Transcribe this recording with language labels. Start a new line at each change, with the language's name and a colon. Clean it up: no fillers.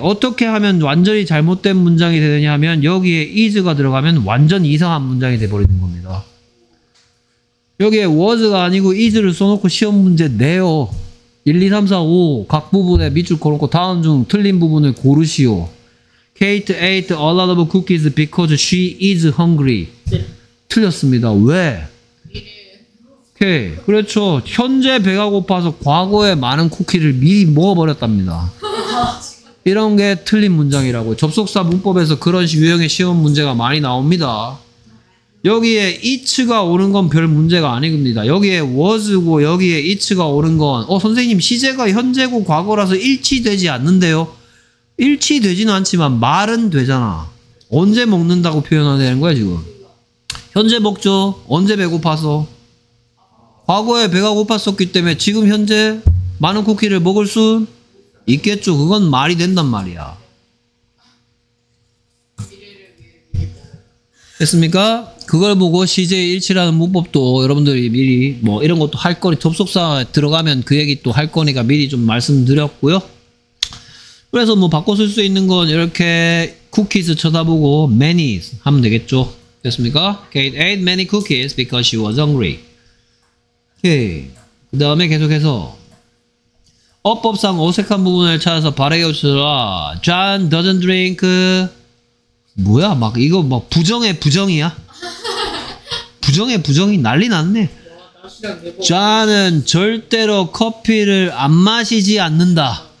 Korean: 어떻게 하면 완전히 잘못된 문장이 되느냐 하면 여기에 is가 들어가면 완전 이상한 문장이 돼버리는 겁니다. 여기에 was가 아니고 is를 써놓고 시험 문제 내요. 1, 2, 3, 4, 5 각 부분에 밑줄 걸어놓고 다음 중 틀린 부분을 고르시오.
English: Kate ate a lot of cookies because she is hungry.
Korean: 네. 틀렸습니다. 왜? 오케이. 그렇죠. 현재 배가 고파서 과거에 많은 쿠키를 미리 먹어버렸답니다. 이런 게 틀린 문장이라고. 접속사 문법에서 그런 유형의 시험 문제가 많이 나옵니다. 여기에 it가 오는 건 별 문제가 아닙니다. 여기에 was고 여기에 it가 오는 건 선생님 시제가 현재고 과거라서 일치되지 않는데요. 일치되지는 않지만 말은 되잖아. 언제 먹는다고 표현해야 되는 거야 지금. 현재 먹죠. 언제 배고파서. 과거에 배가 고팠었기 때문에 지금 현재 많은 쿠키를 먹을 수 있겠죠. 그건 말이 된단 말이야. 됐습니까? 그걸 보고 시제일치라는 문법도 여러분들이 미리 뭐 이런 것도 할 거니 접속사에 들어가면 그 얘기 또 할 거니까 미리 좀 말씀드렸고요. 그래서 뭐 바꿔 쓸 수 있는 건 이렇게 쿠키스 쳐다보고 many 하면 되겠죠. 됐습니까?
English: Kate ate many cookies because she was hungry.
Korean: 오케이. 그 다음에 계속해서 어법상 어색한 부분을 찾아서 발해주시라.
English: John doesn't drink.
Korean: 뭐야, 막, 이거 막 부정의 부정이야? 부정의 부정이 난리 났네. John은 절대로 커피를 안 마시지 않는다.